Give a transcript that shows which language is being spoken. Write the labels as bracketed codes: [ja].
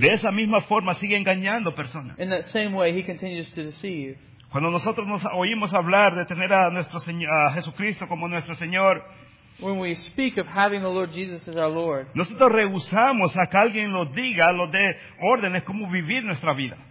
[es] De esa misma forma sigue engañando personas. [en] In that same way he continues to deceive. [es] Cuando nosotros nos oímos hablar de tener a nuestro Señor, a Jesucristo como nuestro Señor, [en] when we speak of having the Lord Jesus as our Lord, [es] nosotros rehusamos a que alguien nos diga, nos dé órdenes cómo vivir nuestra vida.